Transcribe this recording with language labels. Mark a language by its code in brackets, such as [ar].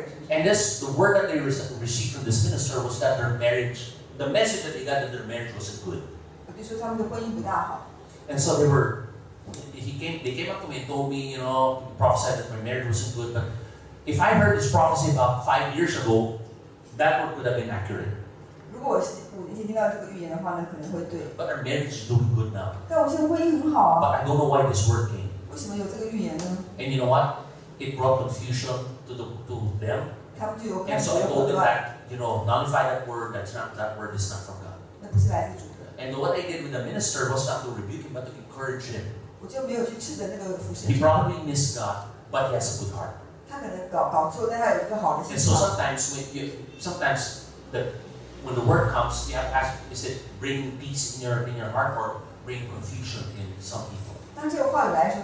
[en] And this, the word that they received from this minister was that their marriage, the message that they got that their marriage wasn't good. And so they came up to me and told me, you know, prophesied that my marriage wasn't good. But if I heard this prophecy about 5 years ago, that word could have been accurate. [zh] 如果我已经听到这个预言的话，那可能会对。 [en] But our marriage is doing good now. [zh] 但我现在婚姻很好啊。 [en] But I don't know why it's working. [zh] 为什么有这个预言呢？ [en] And you know what? It brought confusion to the to them. And so I told them that, you know, nullify that word. That's not that word is not from God. [zh] 那不是来自主的。 [en] And what I did with the minister was not to rebuke him, but to encourage him. [zh] 我就没有去斥责那个服侍。 [en] He probably missed God, but he has a good heart. [zh] 他可能搞错，但他有一个好的心。 [en] And so sometimes when you sometimes the when the word comes, you have to ask, is it bringing peace in your heart or bringing confusion in some people?